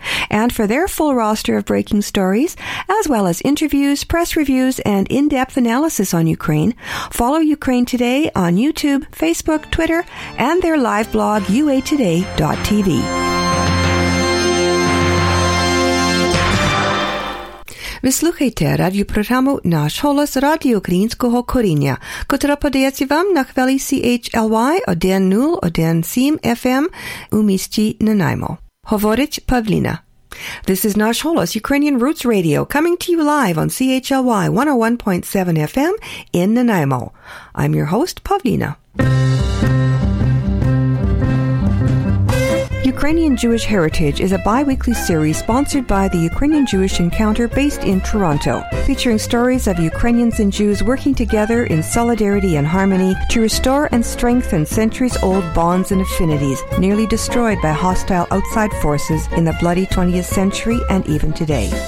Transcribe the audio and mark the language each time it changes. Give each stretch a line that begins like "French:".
English: And for their full roster of breaking stories, as well as interviews, press reviews, and in-depth analysis on Ukraine, follow Ukraine Today on YouTube, Facebook, Twitter, and their live blog, uatoday.tv.
Ukrainian: Ви слухаєте радіопрограму «Наш голос» Радіо Українського коріння, котра подається вам на хвилі CHLY 1017 FM у місті Нанаймо. Говорить Павліна.
English: This is Nash Holos Ukrainian Roots Radio, coming to you live on CHLY 101.7 FM in Nanaimo. I'm your host, Pavlina. Ukrainian Jewish Heritage is a bi-weekly series sponsored by the Ukrainian Jewish Encounter based in Toronto, featuring stories of Ukrainians and Jews working together in solidarity and harmony to restore and strengthen centuries-old bonds and affinities nearly destroyed by hostile outside forces in the bloody 20th century and even today.